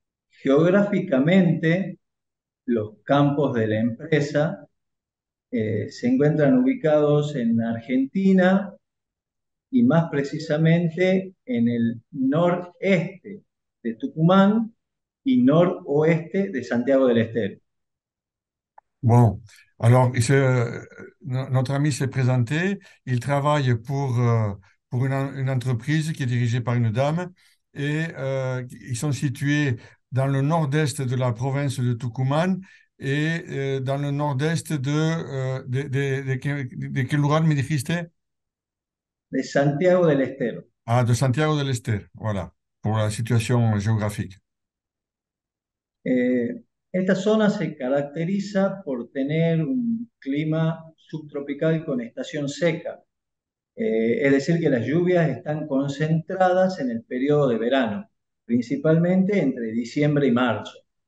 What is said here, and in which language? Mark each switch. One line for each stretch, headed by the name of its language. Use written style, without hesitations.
Spanish: Geográficamente, los campos de la empresa se encuentran ubicados en Argentina y más precisamente en el noreste de Tucumán y noroeste de Santiago del Estero.
French: Bon, alors, notre ami s'est présenté. Il travaille pour une entreprise qui est dirigée par une dame et ils sont situés dans le nord-est de la province de Tucumán et dans le nord-est de
Spanish: quel rural me dijiste? De Santiago del Estero.
French: Ah, de Santiago del Estero, voilà, pour la situation géographique.
Spanish: Esta zona se caracteriza por tener un clima subtropical con estación seca, es decir, que las lluvias están concentradas en el periodo de verano, principalmente entre diciembre y marzo.